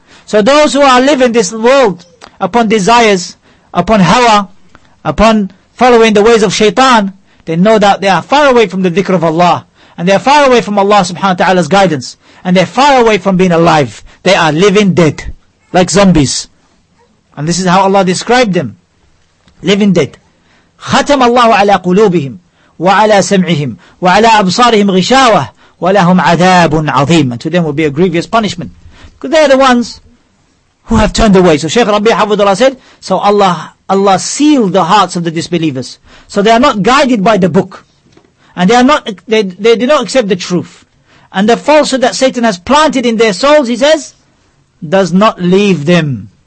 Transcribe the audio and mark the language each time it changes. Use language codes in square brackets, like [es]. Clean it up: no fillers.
[en] So those who are living this world upon desires, upon hawa, upon following the ways of shaitan, they know that they are far away from the dhikr of Allah. And they are far away from Allah subhanahu wa ta'ala's guidance. And they're far away from being alive. They are living dead, like zombies. And this is how Allah described them. Living dead. [ar] ختم الله على قلوبهم وعلى سمعهم وعلى أبصارهم غشاوة ولهم عذاب عظيم. [en] And to them will be a grievous punishment. Because they are the ones who have turned away. So Shaykh Rabi' Hafidhullah said, so Allah sealed the hearts of the disbelievers. So they are not guided by the book. And they do not accept the truth. And the falsehood that Satan has planted in their souls, he says, does not leave them.